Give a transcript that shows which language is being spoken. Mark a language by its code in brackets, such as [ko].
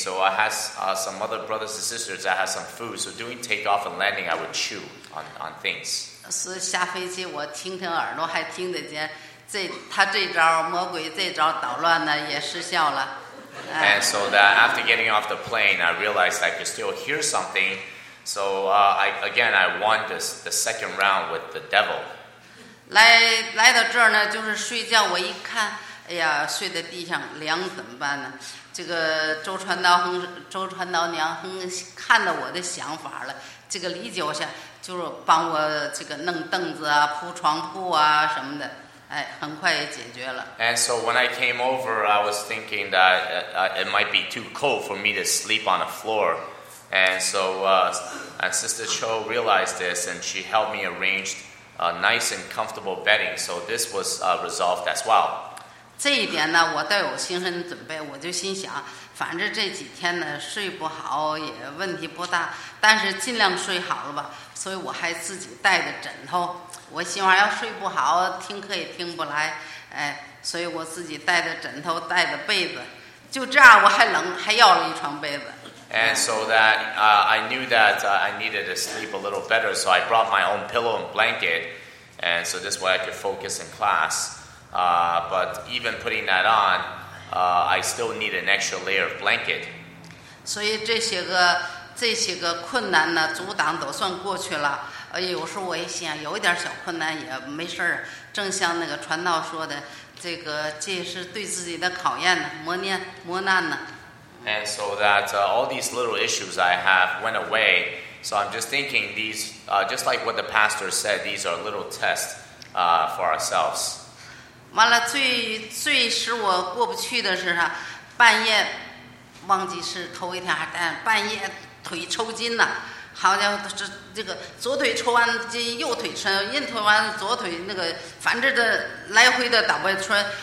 [en] So I had some other brothers and sisters that had some food. So during takeoff and landing, I would chew on things. So [zh] 下飞机我听听耳朵还听得见，他这招魔鬼这招捣乱呢也失效了。 [en] And so that after getting off the plane, I realized I could still hear something. So I won the second round with the devil. [zh] 来到这儿呢，就是睡觉，我一看。哎呀，睡在地上凉怎么办呢？这个周传道娘看到我的想法了，这个理解我下，就是帮我这个弄凳子啊，铺床铺啊什么的，哎，很快也解决了。 [en] And so when I came over, I was thinking that it might be too cold for me to sleep on the floor. And so Sister Cho realized this, and she helped me arrange a nice and comfortable bedding. So this was resolved as well. [zh] 这一点呢我倒有心身准备，我就心想反正这几天呢睡不好也问题不大，但是尽量睡好了吧，所以我还自己带着枕头，我希望要睡不好听课也听不来，哎，所以我自己带着枕头带着被子，就这样我还冷，还要了一床被子。 [en] And so that I knew that I needed to sleep a little better, so I brought my own pillow and blanket, and so this way I could focus in class. But even putting that on, I still need an extra layer of blanket. [zh] 所以这些个困难呢，阻挡都算过去了。有时候我一想，有一点小困难也没事儿。正像那个传道说的，这个这是对自己的考验呢，磨难呢。 [en] And so that all these little issues I have went away. So I'm just thinking these, just like what the pastor said, these are little tests for ourselves. [zh] 完了，最使我过不去的是啥？半夜忘记是头一天还是半夜腿抽筋了，好像这个左腿抽完筋，右腿抽，右腿完左腿那个，反正这来回的打不穿。